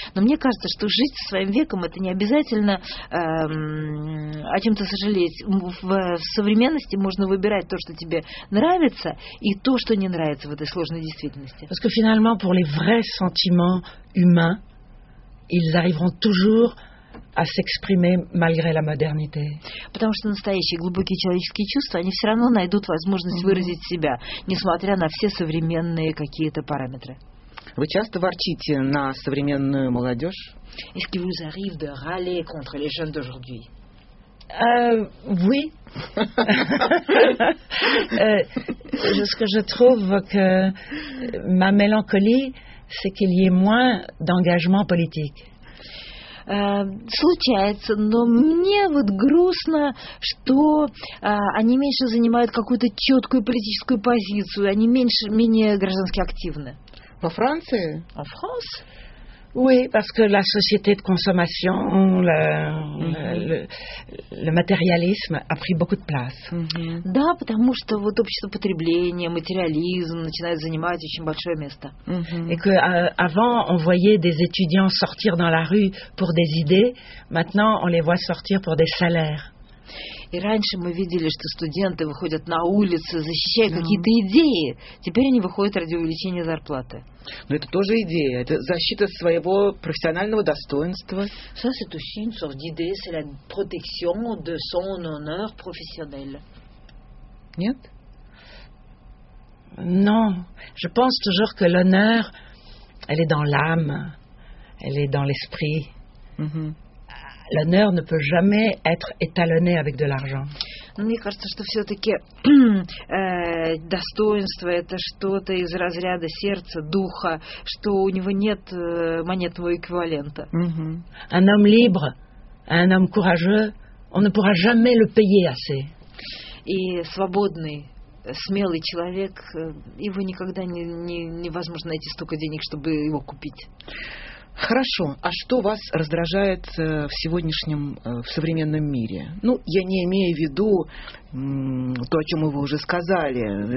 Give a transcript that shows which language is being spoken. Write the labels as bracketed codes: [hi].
[ru] Но мне кажется, что жить со своим веком это не обязательно о чем-то сожалеть. В современности можно выбирать то, что тебе нравится, и то, что не нравится в этой сложной действительности. [fr] Parce que finalement, pour les vrais sentiments humains, ils arriveront toujours à s'exprimer malgré la modernité. [ru] Потому что настоящие глубокие человеческие чувства, они все равно найдут возможность выразить себя, несмотря на все современные какие-то параметры. Вы часто ворчите на современную молодежь? [fr] Est-ce qu'il vous arrive de râler contre les jeunes d'aujourd'hui? Oui. ce que je trouve que ma mélancolie, c'est qu'il y ait moins d'engagement politique. [ru] Случается, но мне вот грустно, что они меньше занимают какую-то четкую политическую позицию, они менее граждански активны. Во Франции? А в Франции? [fr] Oui, parce que la société de consommation, le matérialisme a pris beaucoup de place. [ru] Да, потому что вот общество потребления, материализм начинает занимать очень большое место. [fr] Et que avant on voyait des étudiants sortir dans la rue pour des idées, maintenant on les voit sortir pour des salaires. [ru] И раньше мы видели, что студенты выходят на улицы, защищая какие-то идеи. Теперь они выходят ради увеличения зарплаты. Но это тоже идея. Это защита своего профессионального достоинства. [fr] Ça, c'est aussi une sorte d'idée. C'est la protection de son honneur professionnel. [ru] Нет? [fr] Non. Je pense toujours que l'honneur, elle est dans l'âme. Elle est dans l'esprit. L'honneur ne peut jamais être étalonné avec de l'argent. [ru] Мне кажется, что все-таки достоинство – это что-то из разряда сердца, духа, что у него нет монетного эквивалента. [fr] Un homme libre, un homme courageux, on ne pourra jamais le payer assez. [ru] И свободный, смелый человек, его никогда невозможно найти столько денег, чтобы его купить. Хорошо. А что вас раздражает в сегодняшнем, в современном мире? Ну, я не имею в виду то, о чем вы уже сказали.